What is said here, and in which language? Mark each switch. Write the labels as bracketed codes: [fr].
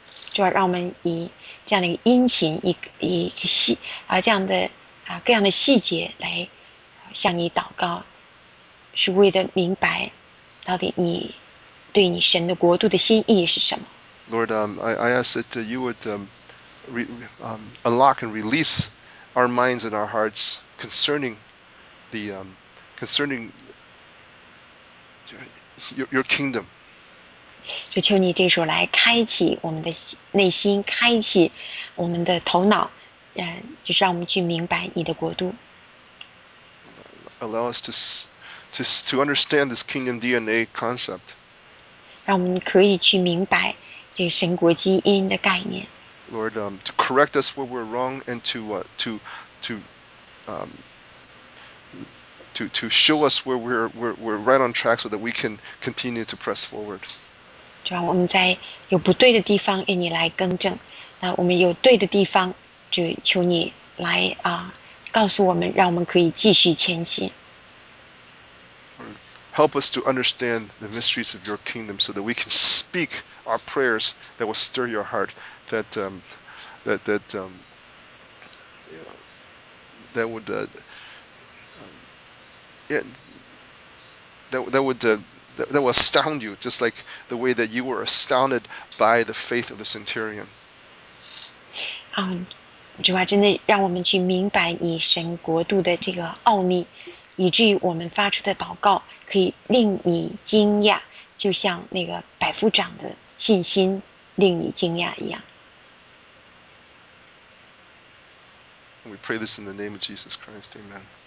[zh] 主啊，让我们以这样的一个殷勤，以各样的细节来向你祷告，是为了明白到底你对你神的国度的心意是什么。 [en] Lord, I ask that you would unlock and release. Our minds and our hearts concerning concerning your kingdom. [zh] 就求你这时候来开启我们的内心，开启我们的头脑，就是让我们去明白你的国度。 [en] Allow us to understand this kingdom DNA concept. [zh] 让我们可以去明白这个神国基因的概念。 [en] Lord, to correct us where we're wrong, and to show us where we're right on track, so that we can continue to press forward. [zh] 主啊，我们在有不对的地方，愿你来更正；那我们有对的地方，就求你来告诉我们，让我们可以继续前行。 [en] Help us to understand the mysteries of your kingdom, so that we can speak our prayers that will stir your heart. That would that will astound you, just like the way that you were astounded by the faith of the centurion. [zh] 主啊，真的让我们去明白你神国度的这个奥秘，以至于我们发出的祷告可以令你惊讶，就像那个百夫长的信心令你惊讶一样。 [en] We pray this in the name of Jesus Christ, Amen.